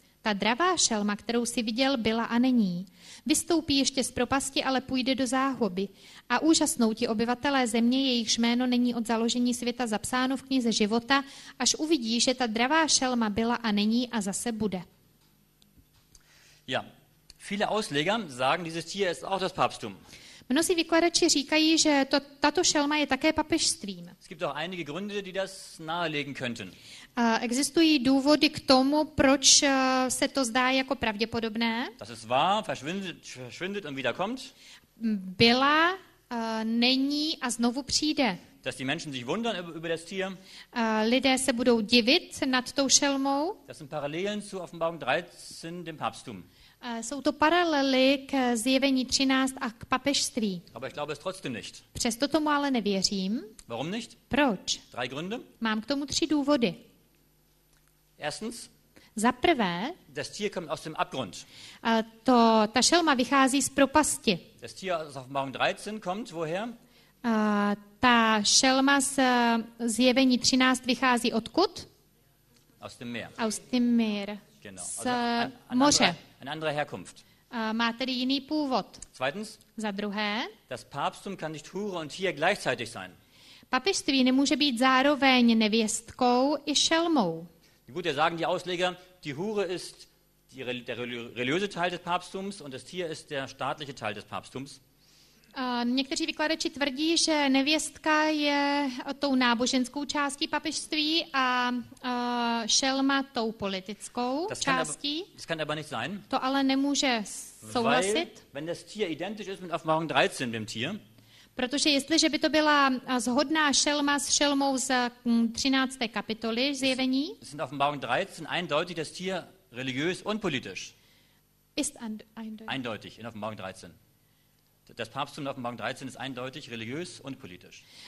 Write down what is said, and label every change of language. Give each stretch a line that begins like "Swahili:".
Czech: Ta dravá šelma, kterou si viděl, byla a není. Vystoupí ještě z propasti, ale půjde do záhuby. A úžasnou ti obyvatelé země, jejichž jméno není od založení světa zapsáno v knize života, až uvidí, že ta dravá šelma byla a není a zase bude.
German: Ja, viele Ausleger sagen, dieses Tier ist auch das Papsttum.
Czech: Mnozí vykladači říkají, že tato šelma je také papežstvím.
German: Es gibt auch einige Gründe, die das nahelegen könnten.
Czech: Existují důvody k tomu, proč se to zdá jako pravděpodobné.
German: Das ist wahr, verschwindet und wieder kommt.
Czech: Byla, není a znovu přijde.
German: Dass die Menschen sich wundern über das Tier.
Czech: Lidé se budou divit nad tou šelmou.
German: Das sind Parallelen zu Offenbarung 13, dem Papsttum.
Czech: Jsou to paralely k zjevení 13 a k papežství.
German: Aber ich glaube es trotzdem nicht.
Czech: Přesto tomu ale nevěřím.
German: Warum nicht?
Czech: Proč?
German: Drei Gründe.
Czech: Mám k tomu tři důvody.
German: Erstens.
Czech: Za prvé.
German: Das Tier kommt aus dem Abgrund.
Czech: Ta šelma vychází z propasti.
German: Das Tier aus Offenbarung 13 kommt woher?
Czech: Ta šelma z zjevení 13 vychází odkud?
German: Aus dem Meer. Aus dem Meer. Genau.
Czech: Z moře.
German: Eine andere Herkunft.
Czech: Má tedy jiný původ.
German: Zweitens.
Czech: Za druhé.
German: Das Papsttum kann nicht Hure und Tier gleichzeitig sein.
Czech: Papežství nemůže být zároveň nevěstkou i šelmou.
German: Gut, der sagen die Ausleger, die Hure ist der religiöse Teil des Papsttums und das Tier ist der staatliche Teil des Papsttums.
Czech: Někteří vykladači tvrdí, že nevěstka je tou náboženskou částí papežství a šelma tou politickou částí.
German: Das kann aber nicht sein.
Czech: To ale nemůže souhlasit.
German: Weil, wenn das Tier identisch ist mit Offenbarung 13, dem Tier.
Czech: Protože jestliže by to byla shodná šelma s šelmou z 13. kapitoly zjevení.
German: Es sind Offenbarung 13 eindeutig das Tier religiös und politisch. Ist eindeutig. Eindeutig in Offenbarung 13. Das Papsttum in Offenbarung 13 ist eindeutig religiös und politisch.